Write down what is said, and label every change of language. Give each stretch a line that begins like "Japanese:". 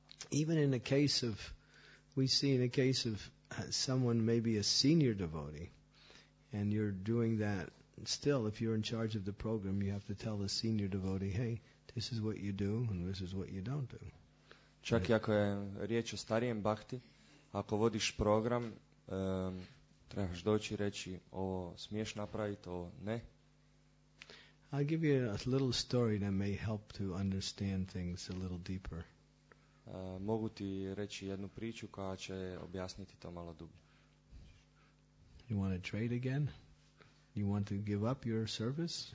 English: Even in the case of, we see in the case of someone maybe a senior devotee, and you're doing that, still if you're in charge of the program, you have to tell the senior devotee, hey, this is what you do and this is what you don't do.
Croatian: Čak i ako je riječ o starijem bakti, ako vodiš program, trebaš doći i reći ovo smiješ napraviti, ovo ne.
English: I'll give you a little story that may help to understand things a little deeper.
Croatian: Mogu ti reći jednu priču koja će objasniti to malo dublje.
English: You want to trade again? You want to give up your service?